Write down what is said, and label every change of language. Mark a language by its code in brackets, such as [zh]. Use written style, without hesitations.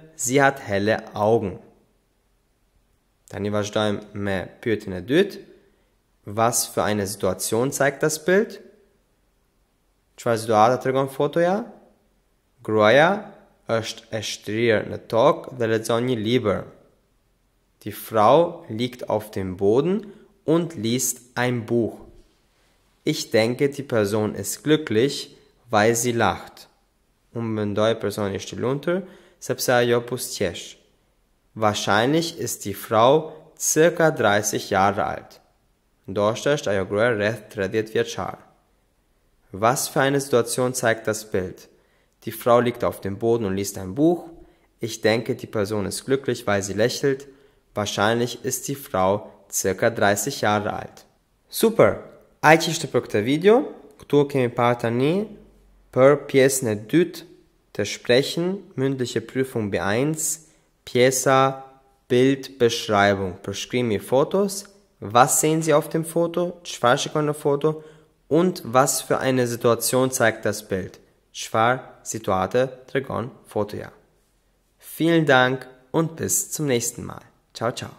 [de] Sie hat helle Augen. [sq] Tani vazhdojmë me pyetjen e dytë. [de] Was für eine Situation zeigt das Bild? [sq] Çfarë situata tregon fotoja? Gruaja është e shtrirë në tokë dhe lexon një libër. [de] Die Frau liegt auf dem Boden und liest ein Buch. Ich denke, die Person ist glücklich, weil sie lacht. [sq] Unë mendoj personi është i lumtur sepse ajo pushtesh. [de] Wahrscheinlich ist die Frau circa 30 Jahre alt. [sq] Ndoshta është ajo gruaja rreth 30 vjeçare. [de] Was für eine Situation zeigt das Bild? Die Frau liegt auf dem Boden und liest ein Buch. Ich denke, die Person ist glücklich, weil sie lächelt. Wahrscheinlich ist die Frau ca. 30 Jahre alt. Super! [sq] Ai që ishte për këtë video, këtu kemi parë tani për pjesën e dytë të shprechen, mündliche Prüfung B1, pjesa Bildbeschreibung, përshkrimi fotos, [de] was sehen Sie auf dem Foto, [sq] çfarë shikojnë në foto, [de] und was für eine Situation zeigt das Bild? [sq] Çfarë situate tregon fotoja? [de] Vielen Dank und bis zum nächsten Mal. Ciao, ciao.